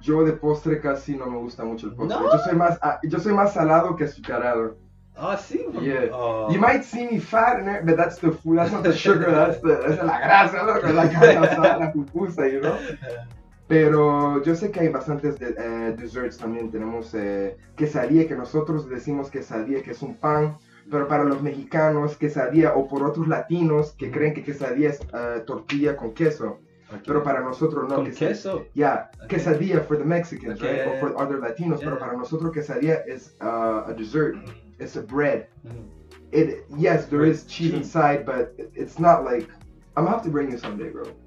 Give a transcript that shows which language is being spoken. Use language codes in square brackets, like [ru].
[es] Yo de postre casi no me gusta mucho el postre. No. Yo soy más salado que azucarado. Oh, sí. [en] Yeah. Oh. You might see me fat, but that's the food. That's not the sugar. that's [es] la grasa, la carne asada, la pupusa, [en] you know. [es] Pero yo sé que hay bastantes desserts también. Tenemos quesadilla, que nosotros decimos quesadilla, que es un pan. Pero para los mexicanos, quesadilla, o por otros latinos que creen que quesadilla es tortilla con queso. Okay. Pero para nosotros no. ¿Con queso? [en] Yeah, okay. Quesadilla for the Mexicans, okay. Right? Or for other Latinos. [es] Yeah. Pero para nosotros quesadilla es [en] a dessert. Mm-hmm. It's a bread. Mm-hmm. There is cheese inside, but it's not like... I'm going to have to bring you someday, bro.